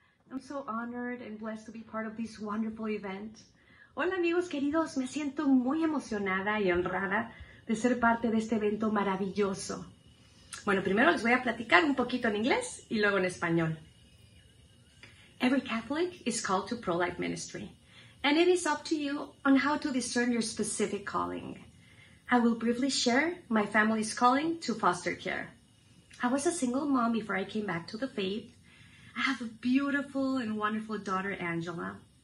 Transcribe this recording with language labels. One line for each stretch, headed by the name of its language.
English: I'm so honored and blessed to be part of this wonderful event.
Spanish: Hola, amigos queridos. Me siento muy emocionada y honrada de ser parte de este evento maravilloso. Bueno, primero les voy a platicar un poquito en inglés y luego en español.
English: Every Catholic is called to pro-life ministry, and it is up to you on how to discern your specific calling. I will briefly share my family's calling to foster care. I was a single mom before I came back to the faith. I have a beautiful and wonderful daughter, Angela.